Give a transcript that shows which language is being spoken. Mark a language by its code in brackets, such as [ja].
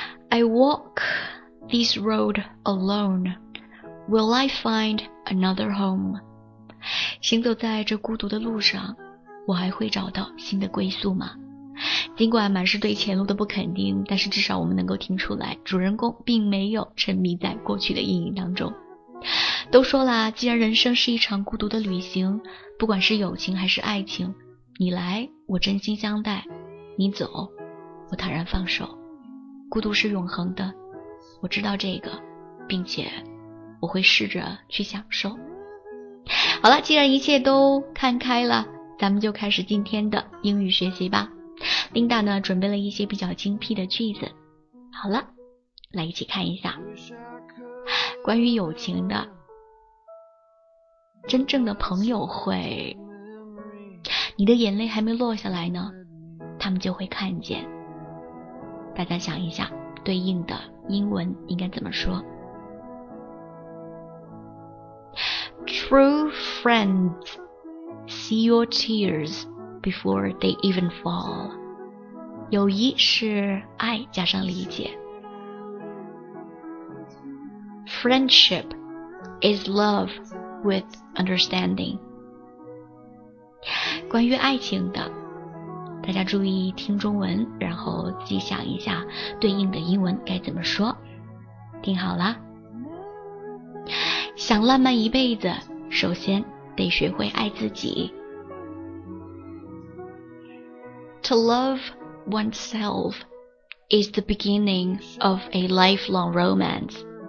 [en] I walk this road alone. Will I find another home? [zh] 行走在这孤独的路上，我还会找到新的归宿吗？尽管满是对前路的不肯定，但是至少我们能够听出来，主人公并没有沉迷在过去的阴影当中。都说啦，既然人生是一场孤独的旅行，不管是友情还是爱情，你来我真心相待，你走我坦然放手。孤独是永恒的，我知道这个，并且我会试着去享受。好了，既然一切都看开了，咱们就开始今天的英语学习吧。琳达呢，准备了一些比较精辟的句子，好了，来一起看一下。关于友情的，真正的朋友会，你的眼泪还没落下来呢，他们就会看见。大家想一下，对应的英文应该怎么说？ [en] True friends see your tears before they even fall. [zh] 友谊是爱加上理解。 [en] Friendship is love with understanding. [zh] 关于爱情的，大家注意听中文，然后自己想一下对应的英文该怎么说。听好了，想浪漫一辈子，首先得学会爱自己。 [en] To love oneself is the beginning of a lifelong romance.